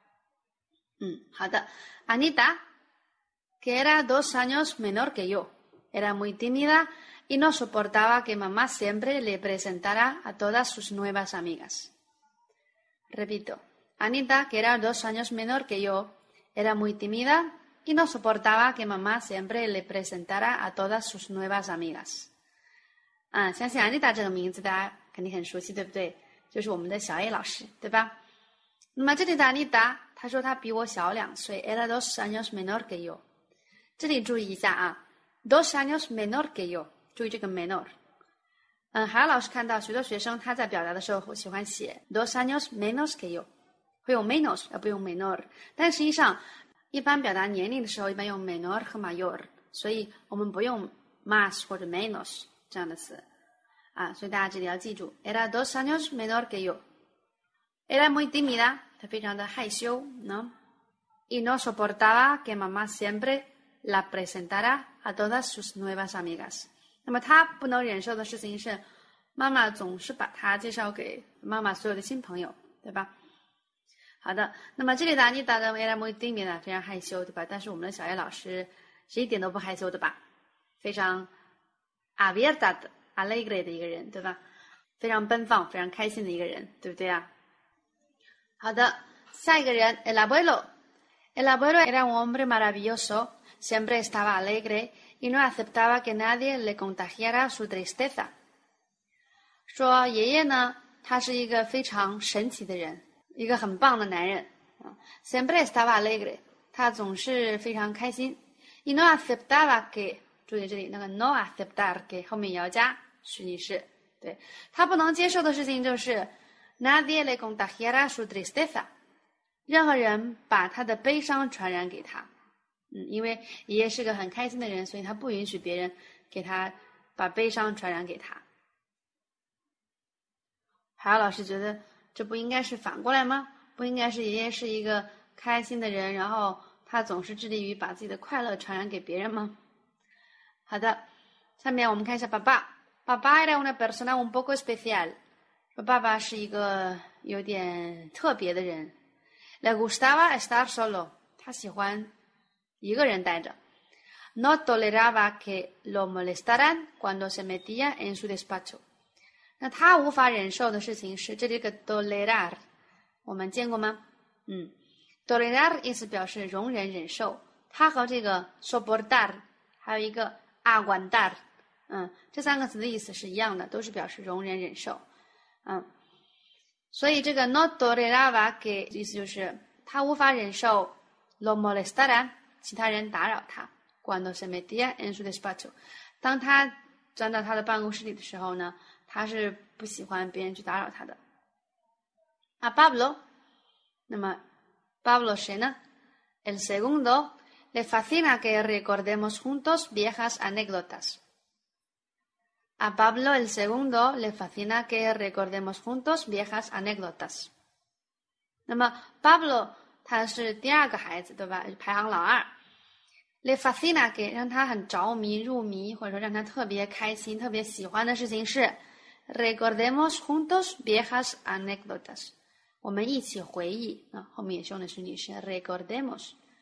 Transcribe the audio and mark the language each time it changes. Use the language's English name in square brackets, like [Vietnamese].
[Chinese] 她总是想要她的哥哥们或者她的兄弟姐妹们都不要碰她的东西，对吧？好的， Anita. [Spanish] Que era 2 años menor que yo. Era muy tímida y no soportaba que mamá siempre le presentara a todas sus nuevas amigas. Repito, Anita, que era 2 años menor que yo, era muy tímida y no soportaba que mamá siempre le presentara a todas sus nuevas amigas. [Chinese] Ah, 相信 Anita 这个名字大家肯定很熟悉，对不对？就是我们的小A老师，对吧？那么这里的 Anita， 她说她比我小2岁， [Spanish] era 2 años menor que yo. [Chinese] 这里注意一下啊 ， [Spanish] dos años menor que yo， [Chinese] 注意这个 menor。还有老师看到许多学生他在表达的时候喜欢写 [Spanish] dos años menos que yo， [Chinese] 会用 menos 而不用 menor， 但实际上一般表达年龄的时候一般用 menor 和 mayor， 所以我们不用 más 或者 menos 这样的词。啊，所以大家这里要记住 [Spanish] era dos años menor que yo. Era muy tímida, [Chinese] 她非常的害羞 [Spanish] ¿no? Y no soportaba que mamá siempre la presentara a todas sus nuevas amigas. [Chinese] 那么她不能忍受的事情是妈妈总是把她介绍给妈妈所有的新朋友，对吧？好的，那么这里的 Anita 的 [Spanish] era muy tímida, [Chinese] 非常害羞，对吧？但是我们的小叶老师是一点都不害羞的吧？非常 abierta 的 alegre 的一个人，对吧？非常奔放，非常开心的一个人，对不对啊？好的，下一个人 el abuelo. [Spanish] El abuelo era un hombre maravilloso, siempre estaba alegre y no aceptaba que nadie le contagiara su tristeza. [Chinese] 说爷爷呢，他是一个非常神奇的人，一个很棒的男人。 [Spanish] Siempre estaba alegre, [Chinese] 他总是非常开心。 [Spanish] Y no aceptaba que, [Chinese] 注意这里那个 no aceptar que 后面要加虚拟式，对，他不能接受的事情就是 [Spanish] nadie le contagiara su tristeza, [Chinese] 任何人把他的悲伤传染给他。嗯，因为爷爷是个很开心的人，所以他不允许别人给他把悲伤传染给他。还有老师觉得这不应该是反过来吗？不应该是爷爷是一个开心的人，然后他总是致力于把自己的快乐传染给别人吗？好的，下面我们看一下爸爸。爸爸 [Spanish] era una persona un poco especial. [Chinese] 爸爸是一个有点特别的人。 [Spanish] Le gustaba estar solo. [Chinese] 他喜欢一个人待着。 [Spanish] No toleraba que lo molestaran cuando se metía en su despacho. [Chinese] 那他无法忍受的事情是这里个 tolerar 我们见过吗？嗯， tolerar 意思表示容忍忍受，他和这个 soportar 还有一个 aguantar 这三个词的意思是一样的，都是表示容忍忍受。所以这个 no toleraba 给意思就是他无法忍受 [Spanish] lo molestaran [Chinese] 其他人打扰他 [Spanish] cuando se metía en su despacho [Chinese] 当他钻到他的办公室里的时候呢，他是不喜欢别人去打扰他的。 [Spanish] 啊 ,Pablo? [Chinese] 那么 [Spanish] ,Pablo [Chinese] 谁呢 [Spanish] ?El segundo, le fascina que recordemos juntos viejas anécdotas. A Pablo, el segundo, le fascina que recordemos juntos viejas anécdotas. [Chinese] 那么 ,Pablo, 他是第二个孩子，对吧？排行老二。 [Spanish] le fascina que, [Chinese] 让他很着迷入迷，或者说让他特别开心特别喜欢的事情是 [Spanish] Recordemos juntos viejas anécdotas. [Chinese] 我们一起回忆，后面也用的是女士。Recordemos.